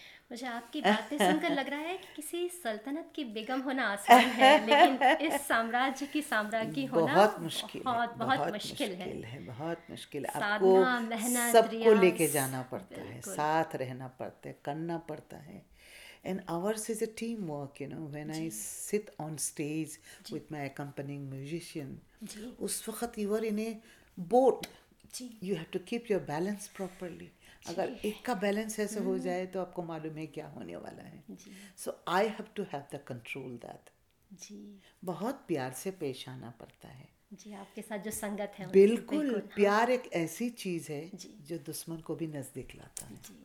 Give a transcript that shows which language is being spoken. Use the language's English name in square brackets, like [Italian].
[Hindi] मुझे आपकी बातें सुनकर लग रहा है कि किसी सल्तनत की बेगम होना आसान है, लेकिन इस साम्राज्य की साम्राज्ञी होना बहुत मुश्किल, बहुत मुश्किल है, बहुत मुश्किल. आपको सबको लेके जाना पड़ता है, साथ रहना पड़ता है, करना पड़ता है. [English] And ours is a teamwork, you know. When I sit on stage with my accompanying musician, [Hindi] us waqt [English] you are in a boat. You have to keep your balance properly. [Hindi] अगर एक का बैलेंस ऐसे हो जाए तो आपको मालूम है क्या होने वाला है. [English] So I have to have the control that. [Hindi] बहुत प्यार से पेश आना पड़ता है जी, आपके साथ जो संगत है. बिल्कुल, प्यार एक ऐसी चीज है जो दुश्मन को भी नजदीक लाता है.